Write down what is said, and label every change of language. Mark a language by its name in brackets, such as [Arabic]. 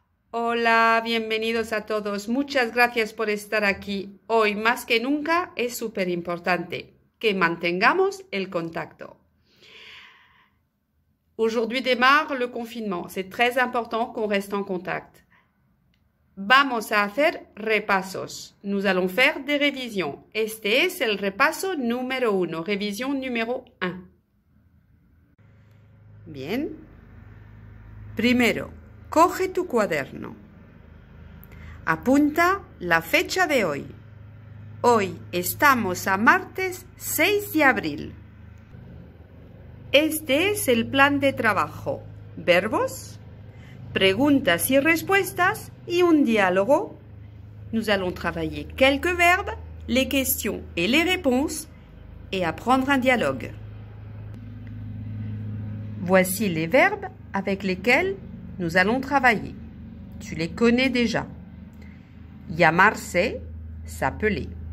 [Spanish] Hola, bienvenidos a todos. Muchas gracias por estar aquí. Hoy más que nunca es súper importante que mantengamos el contacto. Aujourd'hui démarre le confinement. C'est très important qu'on reste en contact. Vamos a hacer repasos. [French] Nous allons faire des révisions. [Spanish] Este es el repaso número uno, [French] révision numéro 1. [Spanish] Bien. Primero, coge tu cuaderno. Apunta la fecha de hoy. Hoy estamos a martes 6 de abril. Este es el plan de trabajo. Verbos, preguntas y respuestas y un diálogo. [French] Nous allons travailler quelques verbes, les questions et les réponses et apprendre un dialogue. Voici les verbes avec lesquels nous allons travailler. Tu les connais déjà. Llamarse, s'appeler.